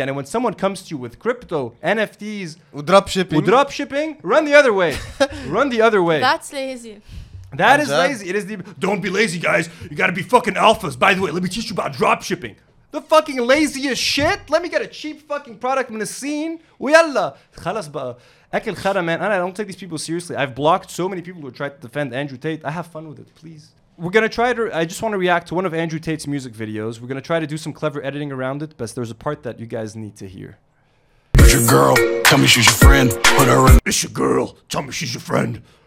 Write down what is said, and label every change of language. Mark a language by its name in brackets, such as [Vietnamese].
[English] And when someone comes to you with crypto, NFTs, drop shipping, run the other way. Run the other way. That's lazy. That is lazy. It is the don't be lazy, guys. You gotta be fucking alphas. By the way, let me teach you about drop shipping. The fucking laziest shit. Let me get a cheap fucking product from the scene. [Arabic] ويلا خلاص بقى أكل خرا, man. [English] I don't take these people seriously. I've blocked so many people who tried to defend Andrew Tate. I have fun with it, please. We're going to try to, I just want to react to one of Andrew Tate's music videos. We're going to try to do some clever editing around it, but there's a part that you guys need to hear. It's your girl, tell me she's your friend, put her in. It's your girl, tell me she's your friend.